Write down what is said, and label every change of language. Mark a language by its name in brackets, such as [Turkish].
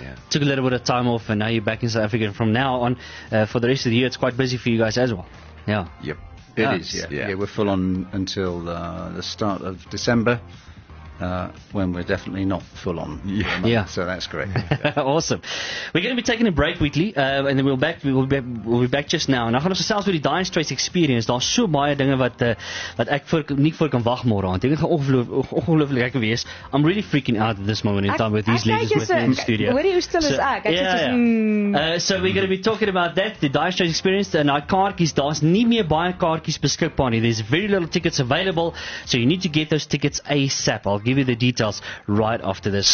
[English] Took a little bit of time off, and now you're back in South Africa. And from now on, for the rest of the year, it's quite busy for you guys as well. Yeah. Yep. It is. We're full on until the start of December, when we're definitely not full on. Yeah. So that's great. Awesome. We're going to be taking a break weekly, and then we'll be back just now. [Afrikaans] Nou gaan ons gesels oor die Dire Straits experience. Daar's so baie dinge wat ek nie vir kan wag môre aan. Dit gaan ongelooflik lekker wees. [English] I'm really freaking out at this moment in time with these legends with me in the studio. [Afrikaans] Hoor jy hoe stil is ek? [English] So we're going to be talking about that, the Dire Straits experience, and our kaartjies. [Afrikaans] Daar's nie meer baie kaartjies beskikbaar nie. [English] There's very little tickets available, so you need to get those tickets ASAP. I'll give you the details right after this.